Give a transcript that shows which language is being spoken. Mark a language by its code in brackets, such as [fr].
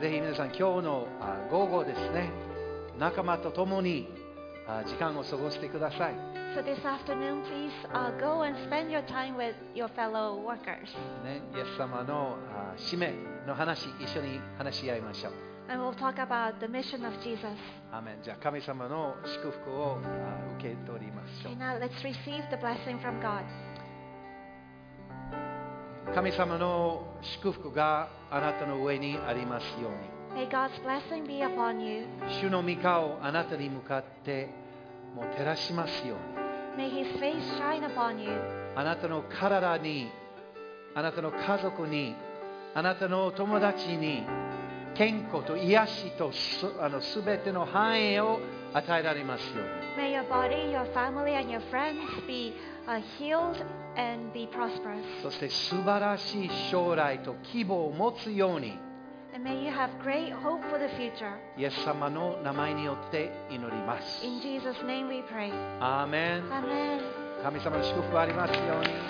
[ja] ぜひ皆さん今日の午後ですね、仲間とともに時間を過ごしてください。 [en] So this afternoon, please go and spend your time with your fellow workers. [ja] ね、イエス様の使命の話一緒に話し合いましょう。 [en] And we'll talk about the mission of Jesus. Amen. [ja] じゃあ神様の祝福を受け取りましょう。 [en] And now let's receive the blessing from God. [ja] 神様の祝福があなたの上にありますように。 [en] May God's blessing be upon you. [ja] 主の御顔をあなたに向かってもう照らしますように。 [en] May His face shine upon you. [ja] あなたの体に、あなたの家族に、あなたの友達に、健康と癒しとすべての繁栄を与えられますように。 [en] May your body, your family, and your friends be healed. And be prosperous. [ja] そして素晴らしい将来と希望を持つように。 [en] And may you have great hope for the future. [ja] イエス様の名前によって祈ります。 [en] In Jesus' name we pray. [ja] アーメン。アーメン。神様の祝福ありますように。